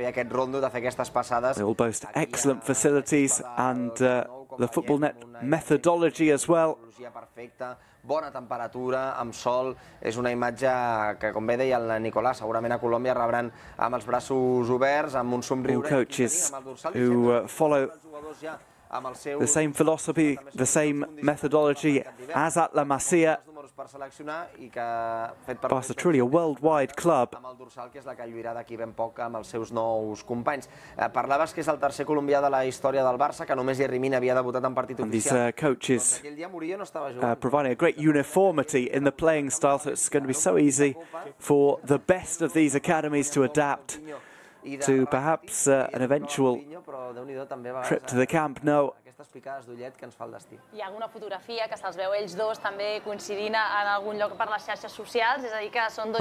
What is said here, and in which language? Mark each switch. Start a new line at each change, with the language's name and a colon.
English: They all boast excellent facilities and the football net methodology as well.
Catalan: Bona temperatura, amb sol, és una imatge que, com bé deia el Nicolás, segurament a Colòmbia rebran amb els braços oberts, amb un somriure.
English: All coaches who follow the same philosophy, the same methodology as at La Masia. Barça, truly a worldwide club.
Catalan: Amb el dorsal, que és la que lluirà d'aquí ben poc amb els seus nous companys. Parlaves que és el tercer colombià de la història del Barça, que només Jerry Mina havia debutat en partit oficial.
English: These coaches providing a great uniformity in the playing style, so it's going to be so easy for the best of these academies to adapt to perhaps an eventual trip to the Camp Nou.
Catalan: Aquestes picades d'ullet que ens fa el destí. Hi ha alguna fotografia que se'ls veu ells dos també coincidint en algun lloc per les xarxes socials, és a dir que són dos...